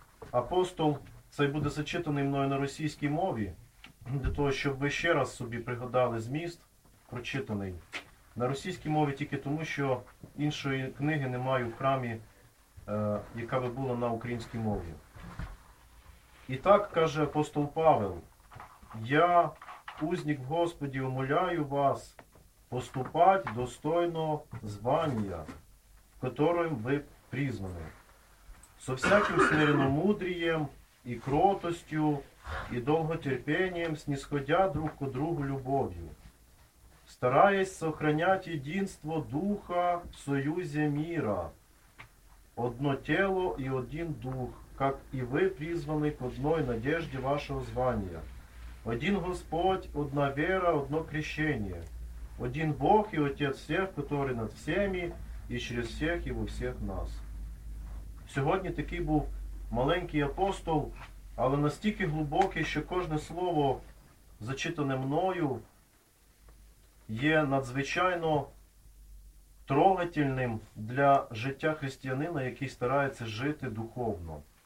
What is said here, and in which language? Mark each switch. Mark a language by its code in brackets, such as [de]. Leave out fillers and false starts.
[uk] Апостол цей буде зачитаний мною на російській мові, для того, щоб ви ще раз собі пригадали зміст прочитаний. На російській мові тільки тому, що іншої книги немає в храмі, яка би була на українській мові. І так каже апостол Павел: [ru] «Я, узник в Господі, умоляю вас поступати достойно звання, в котором ви призвані, со всяким смиренно-мудрієм і кротостю, і довготерпінням, снісходя друг ко другу любов'ю, стараясь сохранять единство Духа в союзе мира, одно тело и один Дух, как и вы призваны к одной надежде вашего звания, один Господь, одна вера, одно крещение, один Бог и Отец всех, который над всеми и через всех и во всех нас». [uk] Сьогодні такий був маленький апостол, але настільки глибокий, що кожне слово, зачитане мною, є надзвичайно трогательним для життя християнина, який старається жити духовно.